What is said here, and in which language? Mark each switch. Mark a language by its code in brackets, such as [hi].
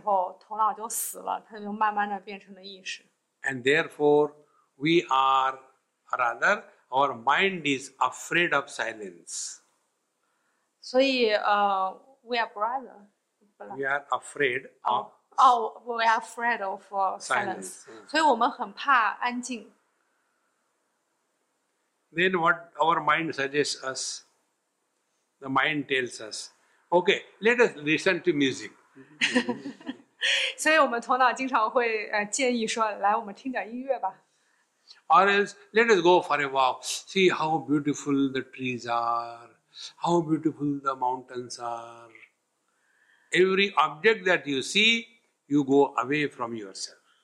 [zh] 当你不给头脑任何词汇的时候，头脑就死了，它就慢慢的变成了意识。 [en] And therefore, we are, or rather, our mind is afraid of silence. 所以, we are brother. We are afraid of. [zh] We are afraid of silence. 所以我们很怕安静。 [en] Then what our mind suggests us, the mind tells us, okay, let us listen to music. [zh] 所以我们头脑经常会建议说，来，我们听点音乐吧。 [en] Or else, let us go for a walk. See how beautiful the trees are, how beautiful the mountains are. Every object that you see, you go away from yourself.